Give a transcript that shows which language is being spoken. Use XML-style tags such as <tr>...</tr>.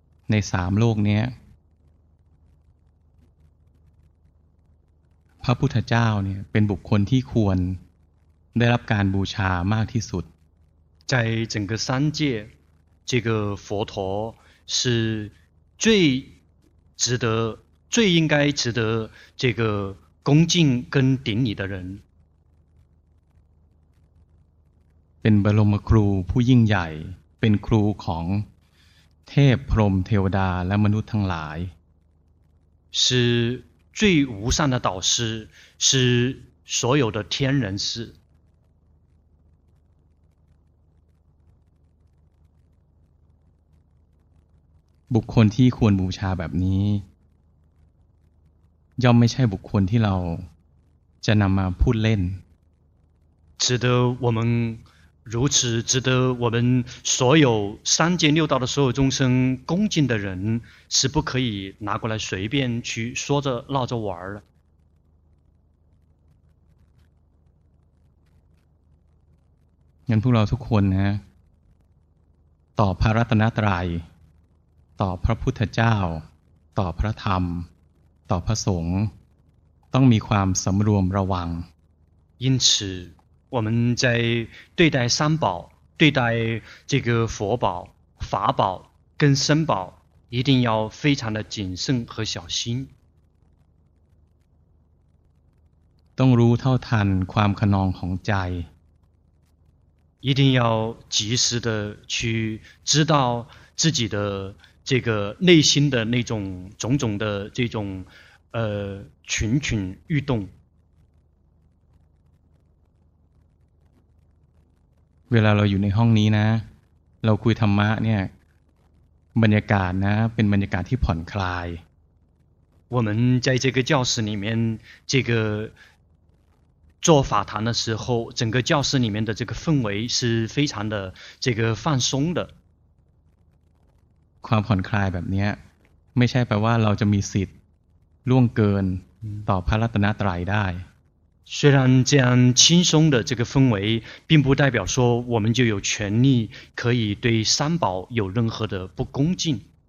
<th>ในสามโลกเนี้ยพระพุทธเจ้าเนี่ยเป็นบุคคลที่ควรได้รับการบูชามากที่สุด</th> <zh>在整个三界这个佛陀是最值得最应该值得这个恭敬跟顶礼的人</zh> <th>เป็นบรมครูผู้ยิ่งใหญ่เป็นครูของเทพพรหมเทวดาและมนุษย์ทั้งหลาย</th> <zh>是最无上的导师是所有的天人师</zh> <th>บุคคลที่ควรบูชาแบบนี้ย่อมไม่ใช่บุคคลที่เราจะนำมาพูดเล่น</th> <zh>值得我们如此值得我们所有三界六道的所有众生恭敬的人是不可以拿过来随便去说着闹着玩的</zh> <th>งั้นพวกเราทุกคนนะต่อพระรัตนตรัยต่อพระพุทธเจ้าต่อพระธรรมต่อพระสงฆ์ต้องมีความสำรวมระวัง</th> <zh>因此我们在对待三宝对待这个佛宝法宝跟僧宝一定要非常的谨慎和小心</zh> <th>ต้องรู้เท่าทันความคะนองของใจ</th> <zh>一定要及时的去知道自己的这个内心的那种种种的这种蠢蠢欲动</zh> <th>เวลาเราอยู่ในห้องนี้นะเราคุยธรรมะเนี่ยบรรยากาศนะเป็นบรรยากาศที่ผ่อนคลาย</th> <zh>我们在这个教室里面这个做法谈的时候整个教室里面的这个氛围是非常的这个放松的</zh> <th>ความผ่อนคลายแบบนี้ไม่ใช่แปลว่าเราจะมีสิทธิ์ล่วงเกินต่อพระรัตนตรัยได้</th> <zh>虽然这样轻松的这个氛围并不代表说我们就有权利可以对三宝有任何的不恭敬</zh>